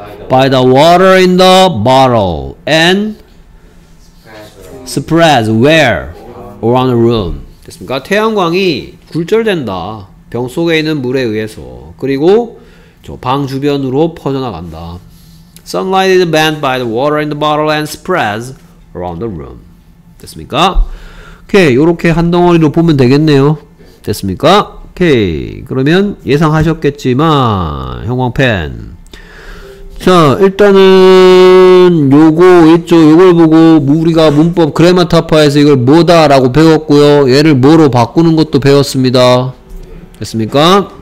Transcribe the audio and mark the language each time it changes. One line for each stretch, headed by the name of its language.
English: By the water in the bottle and spreads where? Around the room.
Korean: 됐습니까? 태양광이 굴절된다. 병 속에 있는 물에 의해서 그리고 저 방 주변으로 퍼져나간다.
English: Sunlight is banned by the water in the bottle and spreads around the room.
Korean: 됐습니까? 오케이, 요렇게 한 덩어리로 보면 되겠네요. 됐습니까? 오케이, 그러면 예상하셨겠지만 형광펜, 자 일단은 요거 있죠. 요걸 보고 우리가 문법 그래마타파에서 이걸 뭐다 라고 배웠고요, 얘를 뭐로 바꾸는 것도 배웠습니다. 됐습니까?